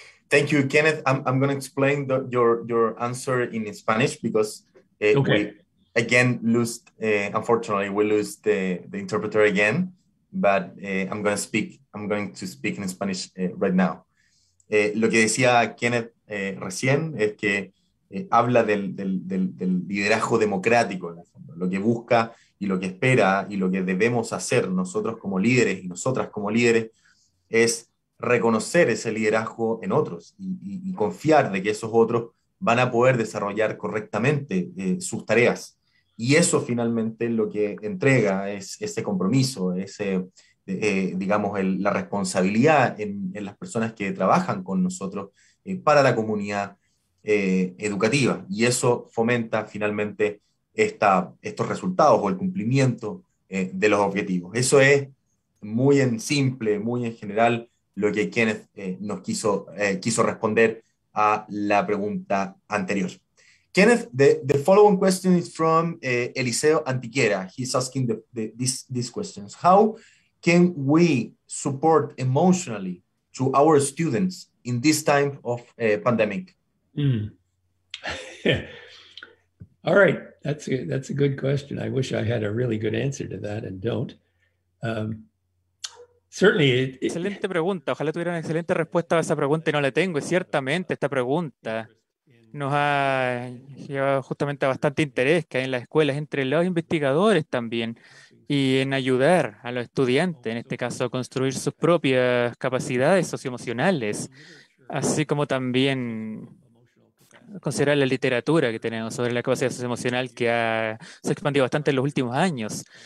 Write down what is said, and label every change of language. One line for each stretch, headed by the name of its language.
English: Thank you, Kenneth. I'm going to explain your answer in Spanish because okay. we lose, unfortunately, the interpreter again, but I'm going to speak in Spanish right now.
Spanish: Lo que decía Kenneth recién es que habla del liderazgo democrático, lo que busca y lo que espera y lo que debemos hacer nosotros como líderes y nosotras como líderes es reconocer ese liderazgo en otros y confiar de que esos otros van a poder desarrollar correctamente sus tareas. Y eso finalmente lo que entrega es ese compromiso, la responsabilidad en las personas que trabajan con nosotros para la comunidad educativa. Y eso fomenta finalmente estos resultados o el cumplimiento de los objetivos. Eso es muy en simple, muy en general, lo que Kenneth quiso responder a la pregunta anterior.
English: Kenneth, the following question is from Eliseo Antiquera. He's asking these questions. How can we support emotionally to our students in this time of pandemic? Mm. All right, that's a good question. I wish I had a really good answer to that and don't. Certainly,
Spanish: excelente pregunta. Ojalá tuviera una excelente respuesta a esa pregunta y no la tengo. Y ciertamente esta pregunta nos ha llevado justamente a bastante interés que hay en las escuelas, entre los investigadores también, y en ayudar a los estudiantes, en este caso, a construir sus propias capacidades socioemocionales, así como también considerar la literatura que tenemos sobre la capacidad socioemocional que se ha expandido bastante en los últimos años.